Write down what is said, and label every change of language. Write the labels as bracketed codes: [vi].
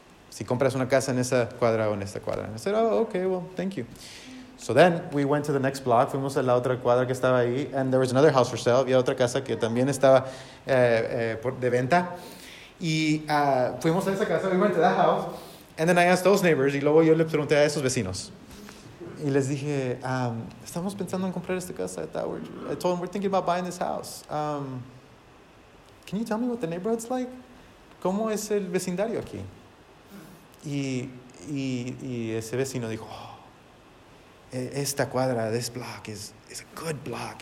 [es] Si compras una casa en esa cuadra o en esta cuadra. [en] And I said, oh, okay, well, thank you. So then we went to the next block. [es] Fuimos a la otra cuadra que estaba ahí. [en] And there was another house for sale. [es] Había otra casa que también estaba de venta. Y fuimos a esa casa. [en] We went to that house. And then I asked those neighbors. [es] Y luego yo le pregunté a esos vecinos. Y les dije, estamos pensando en comprar esta casa. [en] I told them, we're thinking about buying this house. Can you tell me what the neighborhood's like? [es] ¿Cómo es el vecindario aquí? Y ese vecino dijo, oh, esta cuadra, [en] this block, [es] is a good block.